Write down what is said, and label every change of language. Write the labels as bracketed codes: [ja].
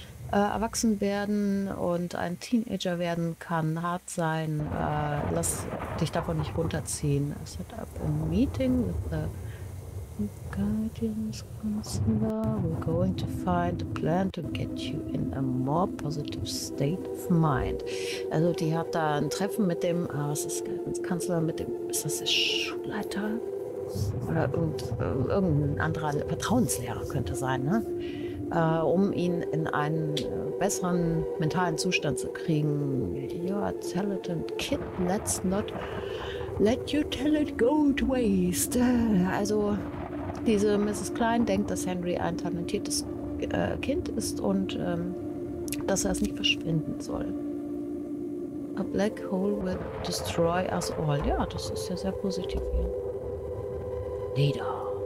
[de] Erwachsen werden und ein Teenager werden kann hart sein. Lass dich davon nicht runterziehen. [en] Set up a meeting with the Guardians Counselor. We're going to find a plan to get you in a more positive state of mind. [de] Also die hat da ein Treffen mit dem, was ist Guardians Counselor, mit dem, ist das der Schulleiter? Oder irgendein anderer Vertrauenslehrer könnte sein, ne? Um ihn in einen besseren mentalen Zustand zu kriegen. [en] You're a talented kid, let's not let your talent go to waste. [de] Also, diese Mrs. Klein denkt, dass Henry ein talentiertes Kind ist und dass er es nicht verschwinden soll. [en] A black hole will destroy us all. [de] Ja, das ist ja sehr positiv hier. [en] Leader.